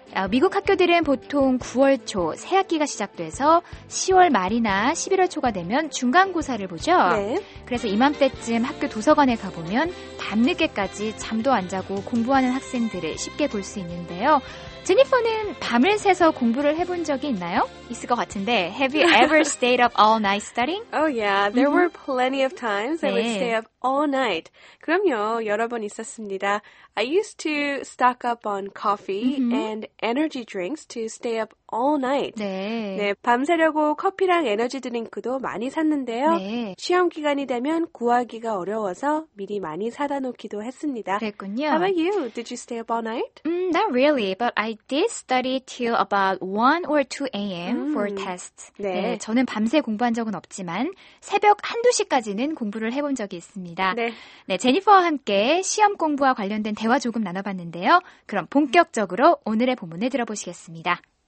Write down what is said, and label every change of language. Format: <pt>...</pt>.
<ko>미국 학교들은 보통 9월 초 새학기가 시작돼서 10월 말이나 11월 초가 되면 중간고사를 보죠. 네. 그래서 이맘때쯤 학교 도서관에 가보면 밤늦게까지 잠도 안 자고 공부하는 학생들을 쉽게 볼 수 있는데요. 제니퍼는 밤을 새서 공부를 해본 적이 있나요? 있을 것 같은데.</ko> <en>Have you ever stayed up all night studying? Oh yeah, there were plenty of times</en> <ko>네.</ko> <en>I would stay up all night.</en> <ko>그럼요, 여러 번 있었습니다.</ko> <en>I used to stock up on coffee and energy drinks to stay up all night.</en> <ko>네. 네, 밤새려고 커피랑 에너지 드링크도 많이 샀는데요. 네. 시험 기간이 되면 구하기가 어려워서 미리 많이 사다 놓기도 했습니다. 그랬군요.</ko> <en>How about you? Did you stay up all night? Not really, but I did study till about 1 or 2 a.m. For tests.</en> <ko>네. 네, 저는 밤새 공부한 적은 없지만 새벽 1, 2시까지는 공부를 해본 적이 있습니다. 네. 네, 제니퍼와 함께 시험 공부와 관련된 대화 조금 나눠봤는데요. 그럼 본격적으로 오늘의 본문을 들어보시겠습니다.</ko>